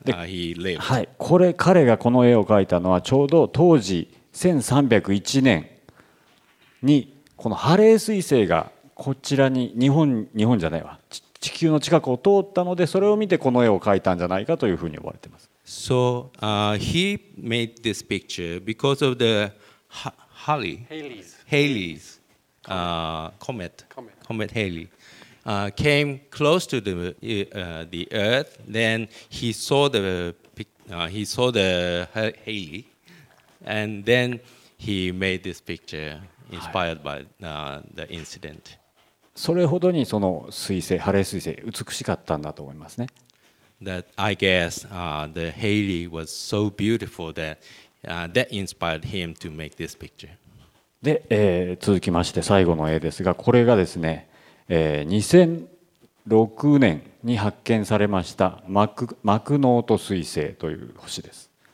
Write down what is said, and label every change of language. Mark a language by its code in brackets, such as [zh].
[en] he lived。 [ja] はい、これ彼がこの絵を描いたのはちょうど当時1301年にこのハレー彗星がこちらに日本じゃないわ、地球の近くを通ったので、それを見てこの絵を描いたんじゃないかというふうに思われています。 [en] So he made this picture because of the Halley's comet Halley came close to the Earth, then he saw the Halley. And then he made this picture inspired by the incident. [ja] それほどにその彗星、ハレー彗星、美しかったんだと思いますね。 [en] That I guess the Halley was so beautiful that that inspired him to make this picture. [ja] で、続きまして最後の絵ですが、これがですね、2006年に発見されましたマクノート彗星という星です。